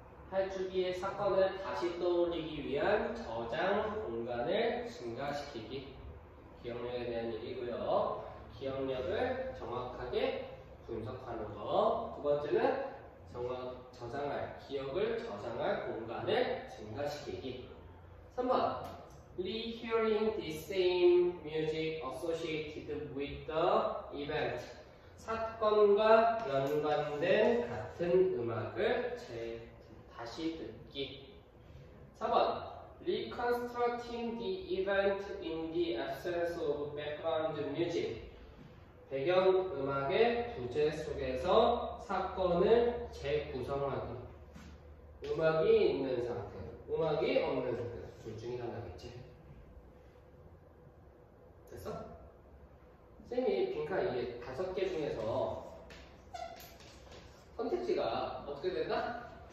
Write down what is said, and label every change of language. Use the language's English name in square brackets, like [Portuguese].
[Korean] 활주기의 사건을 다시 떠올리기 위한 저장 공간을 증가시키기. 기억력에 대한 얘기고요. 기억력을 정확하게 분석하는 거. 두 번째는 저장할, 기억을 저장할 공간을 증가시키기. 3번. [English] Rehearing the same music associated with the event. [Korean] 사건과 연관된 같은 음악을 다시 듣기. 4번. [English] Reconstructing the event in the absence of background music. [Korean] 배경음악의 부재 속에서 사건을 재구성하기. 음악이 있는 상태, 음악이 없는 상태, 둘 중에 하나겠지. 됐어? 선생님이 빈칸 이게 다섯 개 중에서 선택지가 어떻게 된다?